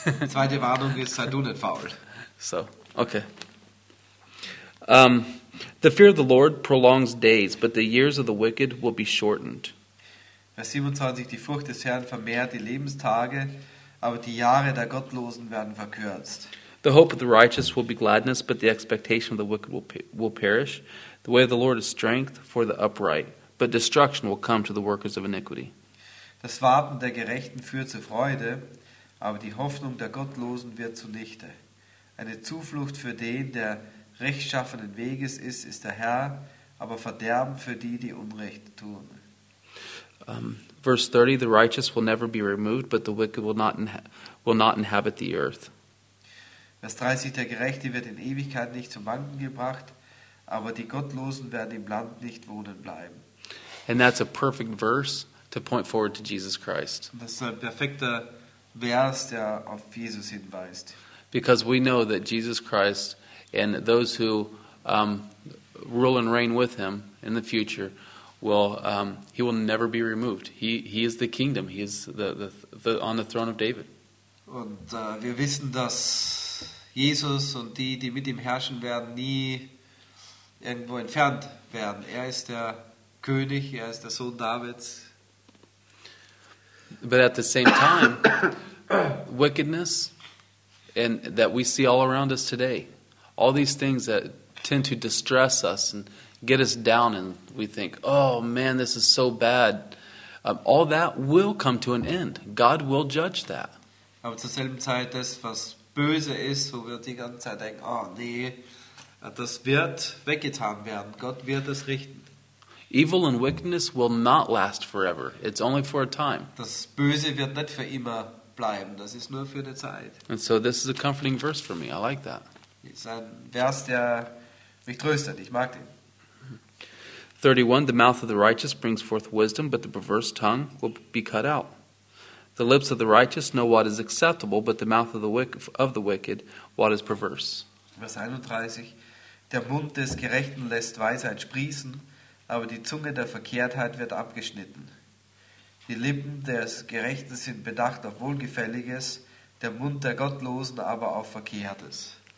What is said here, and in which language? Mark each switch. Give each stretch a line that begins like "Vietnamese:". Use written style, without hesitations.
German: Zweite Warnung ist, sei du nicht faul. So, okay.
English: The fear of the Lord prolongs days, but the years of the wicked will be shortened.
German: Vers 27, die Furcht des Herrn vermehrt die Lebenstage, aber die Jahre der Gottlosen werden verkürzt.
English: The hope of the righteous will be gladness, but the expectation of the wicked will perish. The way of the Lord is strength for the upright, but destruction will come to the workers of iniquity.
German: Das Warten der Gerechten führt zu Freude, aber die Hoffnung der Gottlosen wird zunichte. Eine Zuflucht für den, der rechtschaffenen Weges ist, ist der Herr, aber Verderben für die, die Unrecht tun.
English: Verse 30, the righteous will never be removed, but the wicked will not inhabit the earth.
German: Vers 30, der Gerechte wird in Ewigkeit nicht zum Wanken gebracht, aber die Gottlosen werden im Land nicht wohnen bleiben.
English: And that's a perfect verse to point forward to Jesus Christ.
German: Und das ist ein perfekter Vers, der auf Jesus hinweist.
English: Because we know that Jesus Christ and those who rule and reign with him in the future he will never be removed. He is the kingdom. He is the on the throne of David.
German: Und wir wissen, dass Jesus und die mit ihm herrschen werden, nie irgendwo entfernt werden. Er ist der König, er ist der Sohn Davids.
English: But at the same time, wickedness and that we see all around us today, all these things that tend to distress us and get us down and we think, oh man, this is so bad. All that will come to an end. God will judge that.
German: Aber zur selben Zeit, das, was böse ist, wo wir die ganze Zeit denken, oh nee, das wird weggetan werden. Gott wird es richten.
English: Evil and wickedness will not last forever. It's only for a time.
German: Das Böse wird nicht für immer bleiben. Das ist nur für eine Zeit.
English: And so this is a comforting verse for me. I like that.
German: Es ist ein Vers, der mich tröstet. Ich mag den.
English: 31, the mouth of the righteous brings forth wisdom, but the perverse tongue will be cut out. The lips of the righteous know what is acceptable, but the mouth of the wicked, what is perverse.
German: Vers 31, der Mund des Gerechten lässt Weisheit sprießen, aber die Zunge der Verkehrtheit wird abgeschnitten. Die Lippen des Gerechten sind bedacht auf Wohlgefälliges, der Mund der Gottlosen aber auf Verkehrtes.